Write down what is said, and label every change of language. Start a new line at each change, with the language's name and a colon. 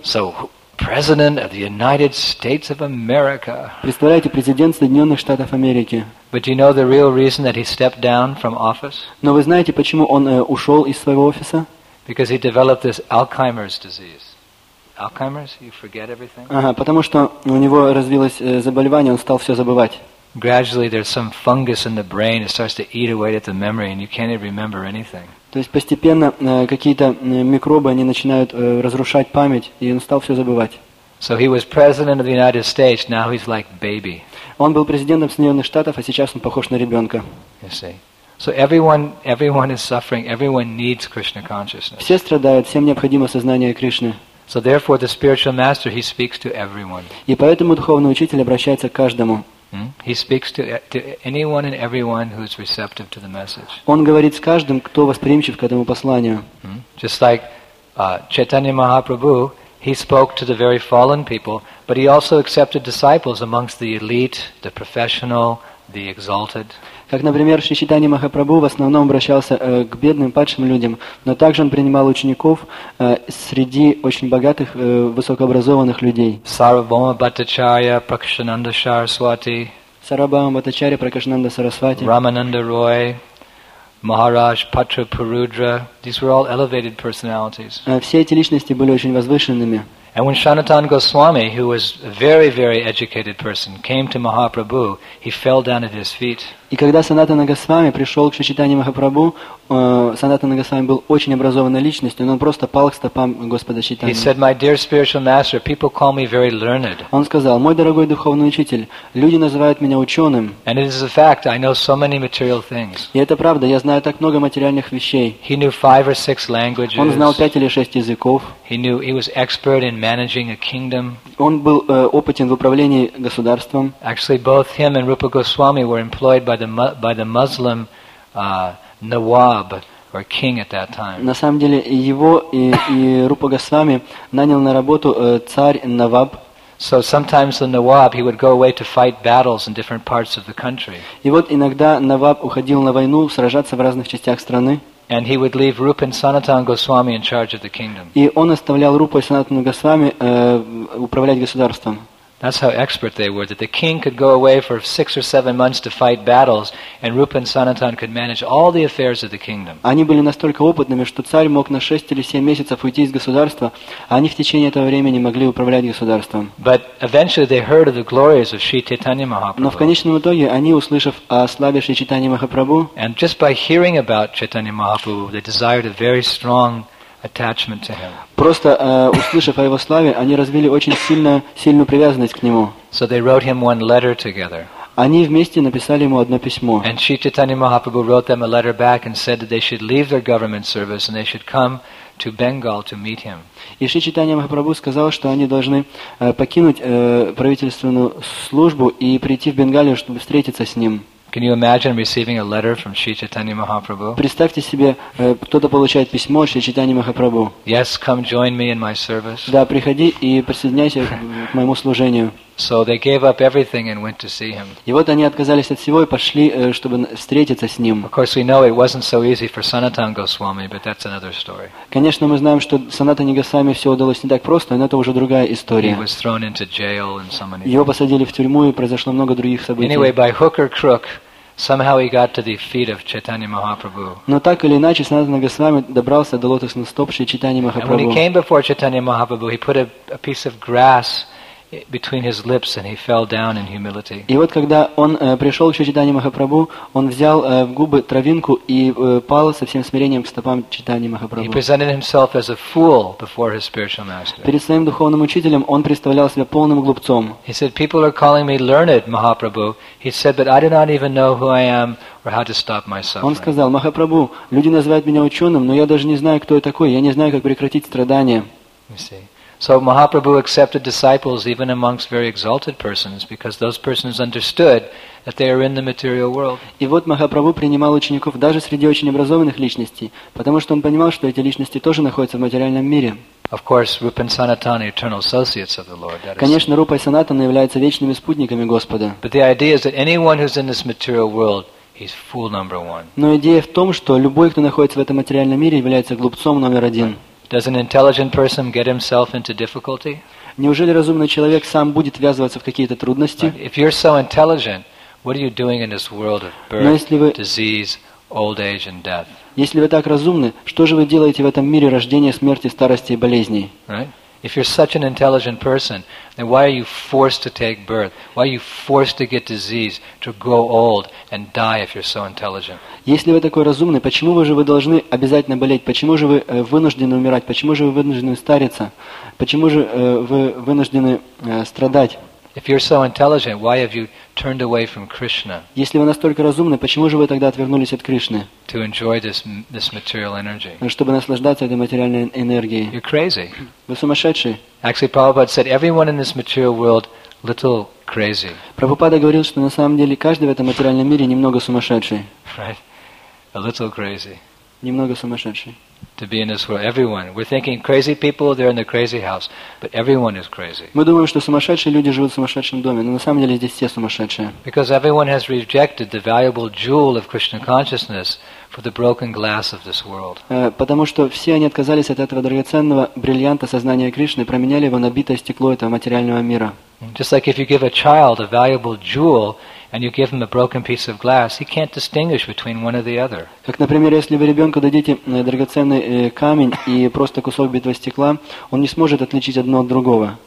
English: So president of the United States of America.
Russian: Представляете, президент Соединенных Штатов Америки.
English: But do you know the real reason that he stepped down from office?
Russian: Но вы знаете, почему он ушел из своего офиса?
English: Because he developed this Alzheimer's disease. Alzheimer's? You forget everything?
Russian: Потому что у него развилось заболевание, он стал все забывать.
English: Gradually there's some fungus in the brain, it starts to eat away at the memory and you can't even remember anything.
Russian: То есть постепенно какие-то микробы, они начинают разрушать память, и он стал все забывать.
English: So he was president of the United States, now he's like baby.
Russian: Он был президентом Соединенных Штатов, а сейчас он похож на ребенка.
English: You see? So everyone is suffering, everyone needs Krishna consciousness.
Russian: Все страдают, всем необходимо сознание Кришны.
English: So therefore the spiritual master, he speaks to everyone.
Russian: И поэтому духовный учитель обращается к каждому.
English: He speaks to anyone and everyone who is receptive to the message.
Russian: Он говорит с каждым, кто восприимчив к этому посланию.
English: Just like Chaitanya Mahaprabhu, he spoke to the very fallen people, but he also accepted disciples amongst the elite, the professional, the exalted.
Russian: Как, например, Шри Чайтанья Махапрабху в основном обращался к бедным, падшим людям, но также он принимал учеников среди очень богатых, высокообразованных людей. Сарвабхаума Бхаттачарья, Пракашананда Сарасвати. Сарвабхаума Бхаттачарья, Пракашананда Сарасвати. Рамананда Рой, Махарадж Патрапурудра.
English: These were all elevated personalities.
Russian: Все эти личности были очень возвышенными.
English: And when Shanatan Goswami, who was a very, very educated person, came to Mahaprabhu, he fell down at his feet.
Russian: И когда Санатана Госвами пришел к Шри Чайтанья Махапрабху, Санатана Госвами был очень образованной личностью, но он просто пал к стопам Господа Чайтаньи.
English: He said, "My dear spiritual master, people call me very learned."
Russian: Он сказал, мой дорогой духовный учитель, люди называют меня ученым.
English: And it is a fact. I know so many material things.
Russian: И это правда. Я знаю так много материальных вещей.
English: He knew 5 or 6 languages.
Russian: Он знал 5 или 6 языков.
English: He was expert in managing a kingdom.
Russian: Он был опытен в управлении государством.
English: Actually, both him and Rupa Goswami were employed by the Muslim Nawab or king at that time.
Russian: На самом деле его и Рупа Госвами нанял на работу царь Наваб.
English: So sometimes the Nawab, he would go away to fight battles in different parts of the country.
Russian: И вот иногда Наваб уходил на войну сражаться в разных частях страны.
English: And he would leave Rupa and Sanatan Goswami in charge of the kingdom.
Russian: И он оставлял Рупу и Санатану Госвами управлять государством.
English: That's how expert they were, that the king could go away for 6 or 7 months to fight battles, and Rupa and Sanatan could manage all the affairs of the kingdom.
Russian: Они были настолько опытными, что царь мог на 6 или 7 месяцев уйти из государства, а они в течение этого времени могли управлять государством.
English: But eventually they heard of the glories of Sri Chaitanya Mahaprabhu.
Russian: Но в конечном итоге они, услышав о славе Шри Чайтаньи Махапрабху,
English: and just by hearing about Chaitanya Mahaprabhu, they desired a very strong attachment to him.
Russian: Просто услышав о его славе, они развили очень сильную привязанность к нему.
English: So they wrote him one letter together.
Russian: Они вместе написали ему одно письмо.
English: And Sri Chaitanya Mahaprabhu wrote them a letter back and said that they should leave their government service and they should come to Bengal to meet him.
Russian: И Шри Чайтанья Махапрабху сказал, что они должны покинуть правительственную службу и прийти в Бенгалию, чтобы встретиться с ним.
English: Can you imagine receiving a letter from Sri Chaitanya Mahaprabhu?
Russian: Представьте себе, кто-то получает письмо Шри Чайтанья Махапрабху.
English: Yes, come join me in my service.
Russian: Да, приходи и присоединяйся к моему служению.
English: So they gave up everything and went to see him.
Russian: И вот они отказались от всего и пошли, чтобы встретиться с ним.
English: Of course, we know it wasn't so easy for Sanatana Goswami, but that's another story.
Russian: Конечно, мы знаем, что Санатане Госвами все удалось не так просто, но это уже другая история.
English: He was thrown into jail and so many.
Russian: Его посадили в тюрьму и произошло много других событий.
English: Anyway, by hook or crook, somehow he got to the feet of Chaitanya Mahaprabhu.
Russian: Но так или иначе Санатана Госвами добрался до лотосных стоп Шри Чайтаньи Махапрабху.
English: And when he came before Chaitanya Mahaprabhu, he put a piece of grass between his lips and he fell down in humility.
Russian: И вот когда он пришел к Шри Чайтанье Махапрабху, он взял в губы травинку и пал со всем смирением к стопам Чайтанье Махапрабху.
English: He presented himself as a fool before his spiritual master.
Russian: Перед своим духовным учителем он представлял себя полным глупцом.
English: He said, "People are calling me learned, Mahaprabhu." He said, "But I do not even know who I am or how to stop my suffering."
Russian: Он сказал: "Махапрабху, люди называют меня ученым, но я даже не знаю, кто я такой. Я не знаю, как прекратить страдания."
English: So Mahaprabhu accepted disciples even amongst very exalted persons because those persons understood that they are in the material world.
Russian: И вот Махапрабху принимал учеников даже среди очень образованных личностей, потому что он понимал, что эти личности тоже находятся в материальном мире.
English: Of course, Rupa and Sanatana are eternal associates of the Lord.
Russian: Конечно, Рупа и Санатана являются вечными спутниками Господа.
English: But the idea is that anyone who's in this material world, he's fool number one.
Russian: Но идея в том, что любой, кто находится в этом материальном мире, является глупцом номер один.
English: Does an intelligent person get himself into difficulty?
Russian: Неужели разумный человек сам будет ввязываться в какие-то трудности?
English: If you're so intelligent, what are you doing in this world of birth, disease, old age and death?
Russian: Если вы так разумны, что же вы делаете в этом мире рождения, смерти, старости и болезней?
English: Right? If you're such an intelligent person, then why are you forced to take birth? Why are you forced to get disease, to grow old and die if you're so intelligent?
Russian: Если вы такой разумный, почему же вы должны обязательно болеть? Почему же вы вынуждены умирать? Почему же вы вынуждены стариться? Почему же вы вынуждены страдать?
English: If you're so intelligent, why have you turned away from Krishna?
Russian: Если вы настолько разумны, почему же вы тогда отвернулись от Кришны?
English: To enjoy this material energy.
Russian: Чтобы наслаждаться этой материальной энергией.
English: You're crazy.
Russian: Вы сумасшедший.
English: Actually, Prabhupada said everyone in this material world little crazy.
Russian: Прабхупада говорил, что на самом деле каждый в этом материальном мире немного сумасшедший.
English: Right. A little crazy.
Russian: Немного сумасшедший.
English: To be in this world, everyone. We're thinking crazy people, they're in the crazy house. But everyone is crazy.
Russian: Мы думаем, что сумасшедшие люди живут в сумасшедшем доме, но на самом деле здесь все сумасшедшие.
English: Because everyone has rejected the valuable jewel of Krishna consciousness for the broken glass of this world.
Russian: Потому что все они отказались от этого драгоценного бриллианта сознания Кришны и променяли его на битое стекло этого материального мира.
English: Just like if you give a child a valuable jewel and you give him a broken piece of glass, he can't distinguish between one or the other.
Russian: Как, например, если вы ребенку дадите драгоценный камень и просто кусок битого стекла, он не сможет отличить одно от другого.